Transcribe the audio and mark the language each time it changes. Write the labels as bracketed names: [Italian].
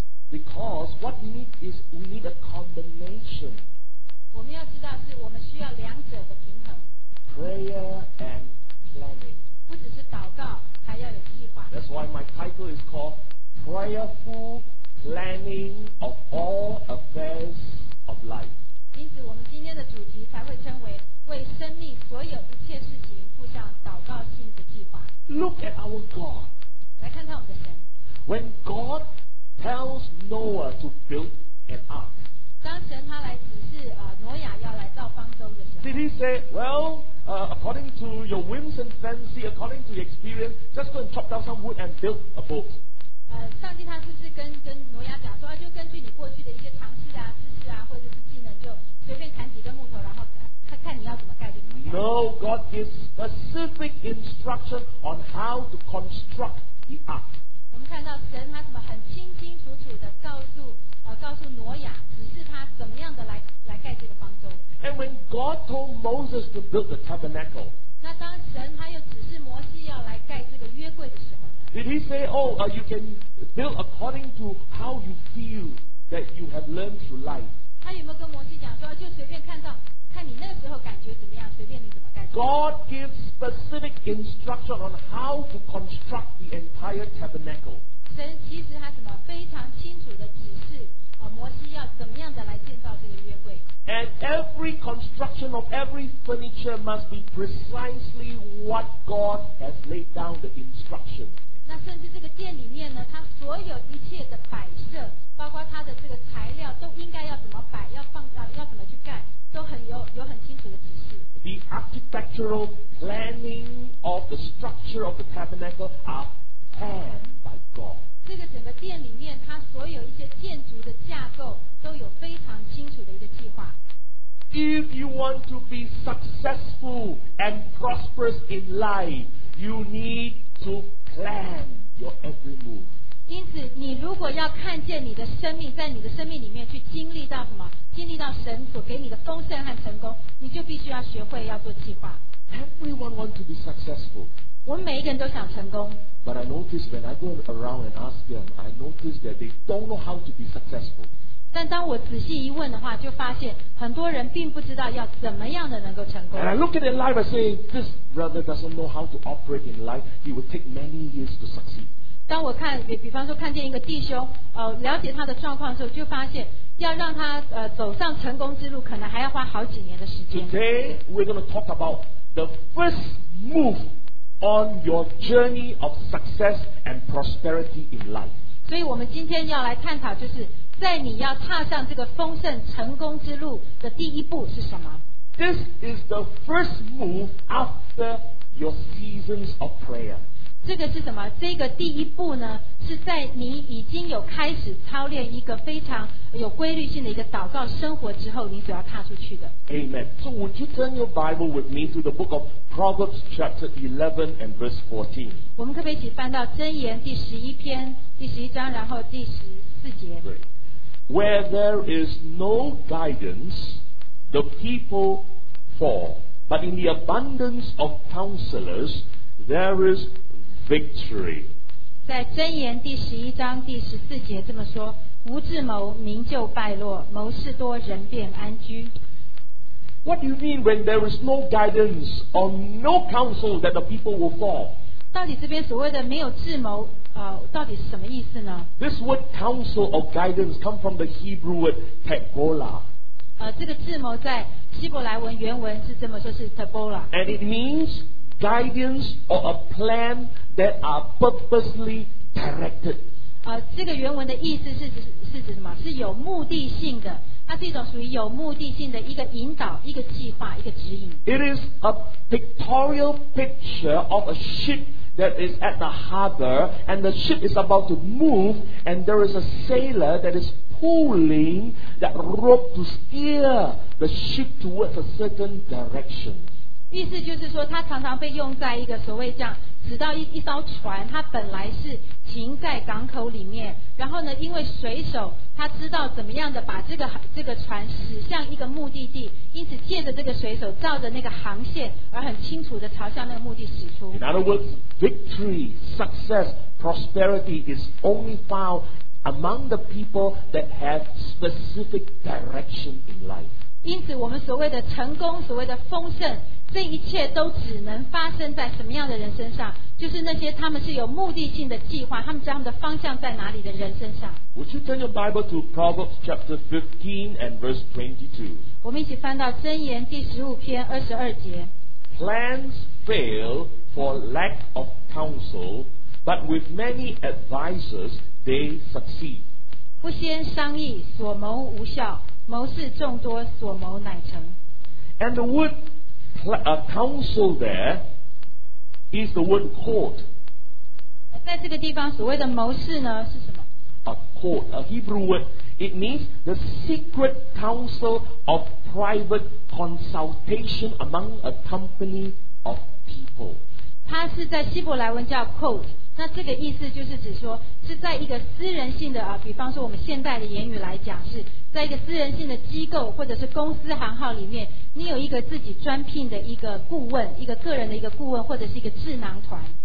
[English] Because what we need is we need a combination. [Chinese] 我们要知道是我们需要两者的平衡。 [English] Prayer and planning. [Chinese] 不只是祷告，还要有计划。 [English] That's why my title is called Prayerful Planning of All Affairs of Life. [Chinese] 因此我们今天的主题才会称为为生命所有一切事情附上祷告性的计划。 [English] Look at our God. [Chinese] 来看看我们的神。 [English] When God tells Noah to build an ark, [Chinese] 当神他来指示挪亚要来造方舟的时候， [English] Did he say, well, according to your whims and fancy, according to your experience, just go and chop down some wood and build a boat? [Chinese] 上帝他是不是 跟挪亚讲说，就根据你过去的一些尝试啊，知识啊，或者是就随便砍几根木头，然后 看你要怎么盖就怎么盖。 [English] No, God gives specific instruction on how to construct the ark. [Chinese] 我们看到神他怎么很清清楚楚的告诉挪亚，指示他怎么样的 来盖这个方舟。 [English] And when God told Moses to build the tabernacle, [Chinese] 那当神他又指示摩西要来盖这个约柜的时候呢？ [English] Did he say, oh, you can build according to how you feel that you have learned through life? [Chinese] 他有没有跟摩西讲说，就随便看你那时候感觉怎么样，随便你怎么盖。 [English] God gives specific instruction on how to construct the entire tabernacle. [Chinese] 神其实他什么非常清楚的指示，摩西要怎么样的来建造这个约柜。 [English] And every construction of every furniture must be precisely what God has laid down the instruction. [Chinese] 那甚至这个殿里面呢，他所有一切的摆设，包括他的这个材料，都应该要怎么摆，要放啊，要怎么去盖，都很有很清楚的指示。 [English] The architectural planning of the structure of the tabernacle are planned by God. [Chinese] 这个整个殿里面，它所有一些建筑的架构都有非常清楚的一个计划。 [English] If you want to be successful and prosperous in life, you need to plan your every move. [Chinese] 因此，你如果要看见你的生命，在你的生命里面去经历到什么，经历到神所给你的丰盛和成功，你就必须要学会要做计划。 [English] Everyone wants to be successful. [Chinese] 我们每一个人都想成功。 [English] But I notice when I go around and ask them, I notice that they don't know how to be successful. [Chinese] 但当我仔细一问的话，就发现很多人并不知道要怎么样的能够成功。 [English] And I look at their life and say, this brother doesn't know how to operate in life. He will take many years to succeed. [Chinese] 当我看，比方说看见一个弟兄，了解他的状况的时候，就发现要让他走上成功之路，可能还要花好几年的时间。 [English] Today we're going to talk about the first move on your journey of success and prosperity in life. [Chinese] 所以我们今天要来探讨，就是在你要踏上这个丰盛成功之路的第一步是什么？ [English] This is the first move after your seasons of prayer. [Chinese] 这个是什么？这个第一步呢，是在你已经有开始操练一个非常有规律性的一个祷告生活之后，你所要踏出去的。 [English] Amen. So would you turn your Bible with me to the book of Proverbs chapter 11 and verse 14? [Chinese] 我们可不可以一起翻到箴言第十一篇？第十一章，然后第十四节。 [English] Where there is no guidance, the people fall. But in the abundance of counselors, there is victory. [Chinese] 在箴言第十一章第十四节这么说：无智谋，民就败落；谋事多，人便安居。 [English] What do you mean when there is no guidance or no counsel that the people will fall? [Chinese] 到底这边所谓的没有智谋、到底是什么意思呢？ [English] This word counsel or guidance come from the Hebrew word tabola、 [Chinese] 这个智谋在希伯来文原文是这么说，是 tabola。 [English] And it means guidance or a plan that are purposely directed、 [Chinese] 这个原文的意思 是指什么？是有目的性的，它是一种属于有目的性的一个引导、一个计划、一个指引。 [English] It is a pictorial picture of a ship that is at the harbor, and the ship is about to move, and there is a sailor that is pulling that rope to steer the ship towards a certain direction. [Chinese] 意思就是说，它常常被用在一个所谓这样，直到 一艘船，它本来是停在港口里面，然后呢，因为水手他知道怎么样的把这个船驶向一个目的地，因此借着这个水手照着那个航线而很清楚的朝向那个目的驶出。 [English] In other words, victory, success, prosperity is only found among the people that have specific direction in life. [Chinese] 因此我们所谓的成功，所谓的丰盛，这一切都只能发生在什么样的人身上？就是那些他们是有目的性的计划，他们知道他们的方向在哪里的人身上。 [English] Would you turn your Bible to Proverbs chapter 15 and verse 22? [Chinese] 我们一起翻到箴言第十五篇二十二节。 [English] Plans fail for lack of counsel, but with many advisers they succeed. [Chinese] 不先商议，所谋无效，谋事众多，所谋乃成。 [English] And the word counsel there is the word court. [Chinese] 在这个地方所谓的谋事呢是什么？ [English] A court, a Hebrew word. It means the secret counsel of private consultation among a company of people. [Chinese] 它是在希伯来文叫 court。那这个意思就是指说是在一个私人性的、比方说我们现代的言语来讲，是在一个私人性的机构或者是公司行号里面，你有一个自己专聘的一个顾问，一个个人的一个顾问或者是一个智囊团。